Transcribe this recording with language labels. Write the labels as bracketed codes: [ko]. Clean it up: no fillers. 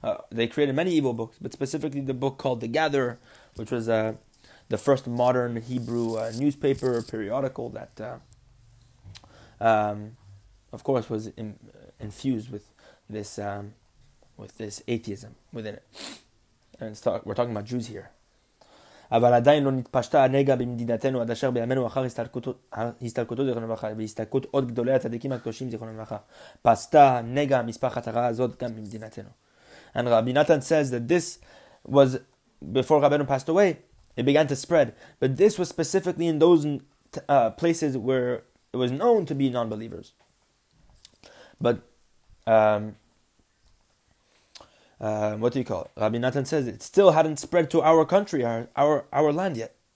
[en] They created many evil books, but specifically the book called The Gatherer, which was the first modern Hebrew newspaper or periodical that, of course, was infused with this atheism within it. And we're talking about Jews here. [he] אבל עדיין לא נתפשטה הנגע במדינתנו עד אשר בימינו אחר הסתלקותו זיכרונו לברכה והסתלקות עוד גדולי הצדיקים הקדושים זיכרונו לברכה פסטה נגע מספחת הרעה הזאת גם במדינתנו. [en] And Rabbi Nathan says that this was before Rabbeinu passed away, it began to spread, but this was specifically in those places where it was known to be non-believers. But what do you call it? Rabbi Nathan says it still hadn't spread to our country, our land yet.